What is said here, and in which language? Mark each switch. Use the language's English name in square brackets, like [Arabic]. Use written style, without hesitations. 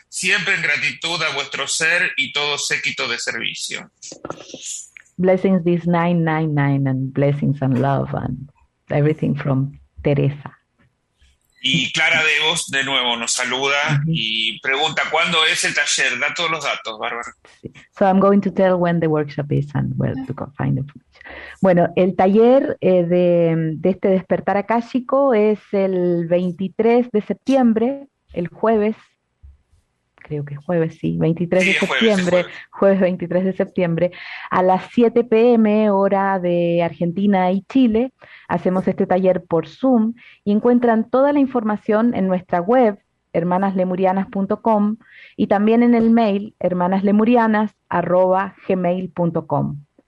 [Spanish] Siempre en gratitud a vuestro ser y todo séquito de servicio. [English] Blessings this 999 and blessings and love and everything from Teresa. [Spanish] Y Clara Devos, de nuevo, nos saluda y pregunta, ¿cuándo es el taller? Da todos los datos, Bárbara. Sí. [English] So I'm going to tell when the workshop is and where to go find the footage. [Spanish] Bueno, el taller de este Despertar Akáshico es el 23 de septiembre, el jueves, creo que es jueves, sí, 23 de septiembre, jueves 23 de septiembre, a las 7 p.m. hora de Argentina y Chile. Hacemos este taller por Zoom y encuentran toda la información en nuestra web, hermanaslemurianas.com, y también en el mail hermanaslemurianas@gmail.com.